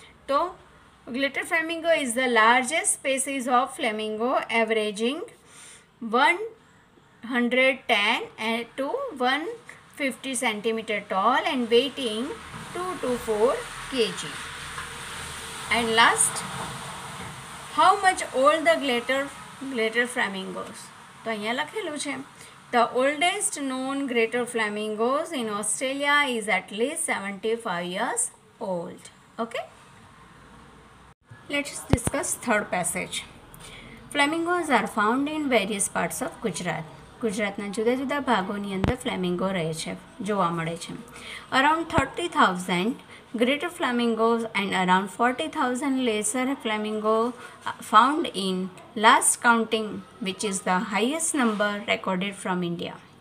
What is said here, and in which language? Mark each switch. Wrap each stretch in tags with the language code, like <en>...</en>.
<en>તો greater flamingo is the largest species of flamingo averaging 110 to 150 centimetre tall and weighing 2-4 KG. And last, how much old the greater flamingos.</en> <gu>તો અહીંયા લખેલું છે</gu> <en>The oldest known greater flamingos in Australia is at least 75 years old. Okay? Let's discuss third passage. Flamingos are found in various parts of Gujarat.</en> <gu>ગુજરાતના જુદા જુદા ભાગોની અંદર flamingo રહે છે, જોવા મળે છે.</gu> <en>Around 30,000 greater flamingos and around 40,000 lesser flamingo found in last counting, which is the highest number recorded from India.</en>